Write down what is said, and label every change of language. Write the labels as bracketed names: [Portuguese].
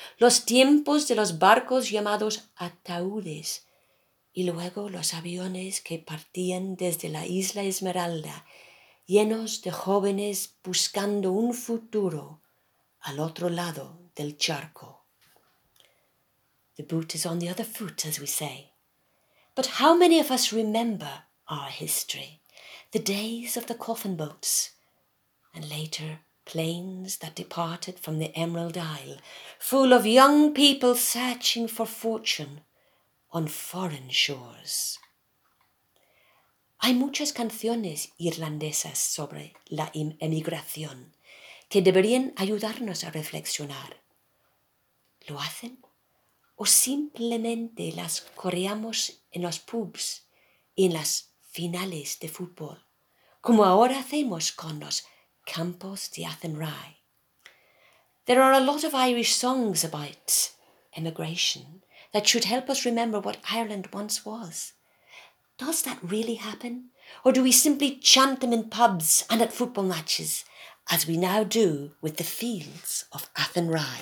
[Spanish] Los tiempos de los barcos llamados ataúdes y luego los aviones que partían desde la Isla Esmeralda, llenos de jóvenes buscando un futuro al otro lado del charco. [English] The boot is on the other foot, as we say. But how many of us remember our history? The days of the coffin boats, and later planes that departed from the Emerald Isle, full of young people searching for fortune on foreign shores. [Spanish] Hay muchas canciones irlandesas sobre la emigración que deberían ayudarnos a reflexionar. ¿Lo hacen? ¿O simplemente las coreamos en los pubs y en las finales de fútbol, como ahora hacemos con los Campos de Athenry? [English] There are a lot of Irish songs about emigration that should help us remember what Ireland once was. Does that really happen? Or do we simply chant them in pubs and at football matches, as we now do with the fields of Athenry?